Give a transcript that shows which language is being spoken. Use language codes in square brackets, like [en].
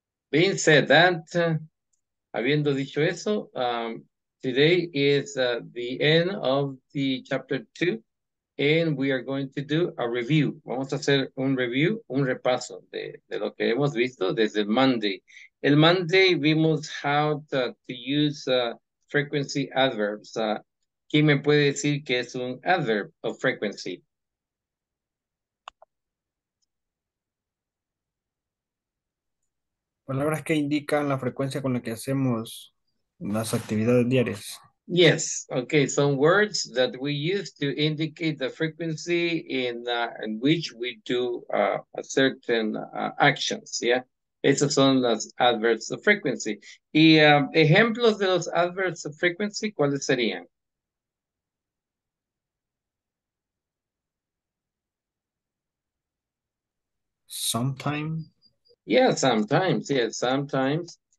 [en] Being said that, [es] habiendo dicho eso, [en] today is the end of the chapter 2, and we are going to do a review. [es] Vamos a hacer un review, un repaso de lo que hemos visto desde el Monday. El Monday vimos [en] how to use frequency adverbs. [es] ¿Quién me puede decir que es un adverb of frequency? Palabras que indican la frecuencia con la que hacemos las actividades diarias. [en] Yes, okay, some words that we use to indicate the frequency in which we do a certain actions, yeah? [es] Esas son las adverbs of frequency. Y ejemplos de los adverbs of frequency, ¿cuáles serían? [en] Sometime. Yeah, sometimes. Yeah, sometimes.